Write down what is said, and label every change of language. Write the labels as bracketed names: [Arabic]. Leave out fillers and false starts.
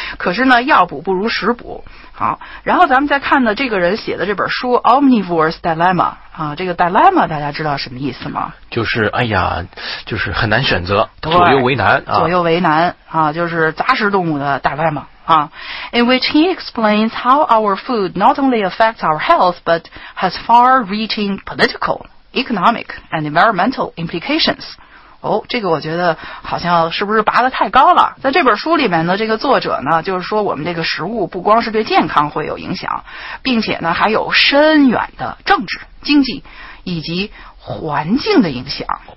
[Chinese] 可是呢，药补不如食补。好，然后咱们再看呢，这个人写的这本书 Omnivore's Dilemma 这个 dilemma 大家知道什么意思吗？就是哎呀，就是很难选择，左右为难啊。左右为难啊，就是杂食动物的 dilemma。 [English] In which he explains how our food not only affects our health, but has far-reaching political, economic, and environmental implications. [Chinese] 这个我觉得好像是不是拔得太高了。在这本书里面呢，这个作者呢，就是说我们这个食物不光是对健康会有影响，并且呢，还有深远的政治、经济以及环境的影响。